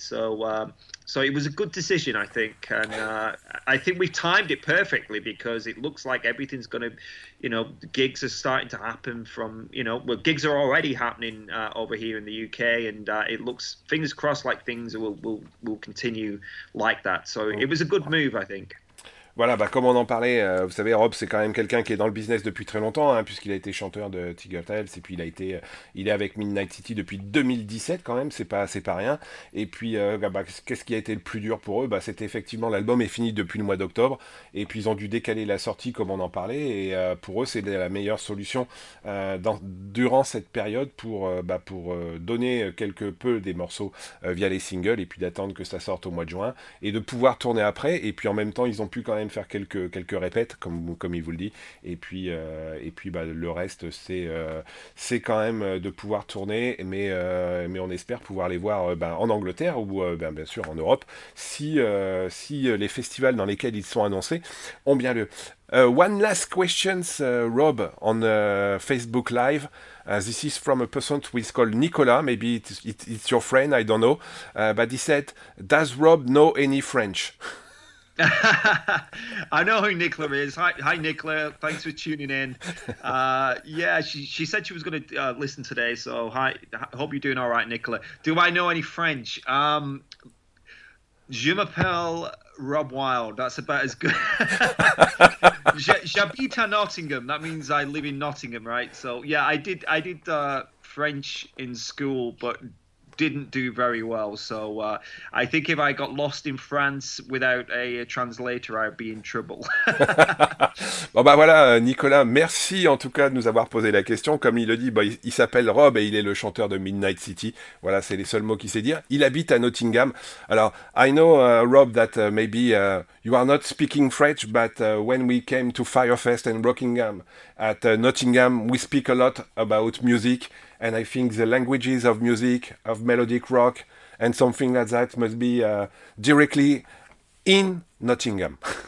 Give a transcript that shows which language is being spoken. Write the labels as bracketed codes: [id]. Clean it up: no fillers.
[en] So so it was a good decision, I think. And I think we timed it perfectly, because it looks like everything's going to, you know, gigs are starting to happen from, you know, well, gigs are already happening over here in the UK. And it looks, fingers crossed, like things will continue like that. So it was a good move, I think. [fr] Voilà, bah comme on en parlait, vous savez, Rob, c'est quand même quelqu'un qui est dans le business depuis très longtemps, hein, puisqu'il a été chanteur de Tiger Tales, et puis il est avec Midnight City depuis 2017 quand même, c'est pas rien. Et puis, bah, qu'est-ce qui a été le plus dur pour eux? Bah, c'était effectivement, l'album est fini depuis le mois d'octobre, et puis ils ont dû décaler la sortie, comme on en parlait, et pour eux, c'est la meilleure solution durant cette période pour donner quelque peu des morceaux via les singles, et puis d'attendre que ça sorte au mois de juin, et de pouvoir tourner après, et puis en même temps, ils ont pu quand même faire quelques répètes comme il vous le dit, et puis bah, le reste c'est quand même de pouvoir tourner, mais on espère pouvoir les voir en Angleterre ou bien sûr en Europe si les festivals dans lesquels ils sont annoncés ont bien lieu. [en] One last questions, Rob, on Facebook Live. This is from a person who is called Nicola. Maybe it's your friend, I don't know, but he said, does Rob know any French? I know who Nicola is. Hi, Nicola. Thanks for tuning in. She said she was going to listen today. So hi, hope you're doing all right, Nicola. Do I know any French? [fr] Je m'appelle Rob Wilde. [en] That's about as good. [fr] J'habite à Nottingham. [en] That means I live in Nottingham, right? So yeah, I did French in school, but didn't do very well. So I think if I got lost in France without a translator, I'd be in trouble. [fr] Bon ben voilà, Nicolas, merci en tout cas de nous avoir posé la question. Comme il le dit, il s'appelle Rob et il est le chanteur de Midnight City. Voilà, c'est les seuls mots qu'il sait dire. Il habite à Nottingham. [en] Alors, I know, Rob, that maybe you are not speaking French, but when we came to Firefest in Rockingham, at Nottingham, we speak a lot about music. And I think the languages of music, of melodic rock, and something like that must be directly in Nottingham.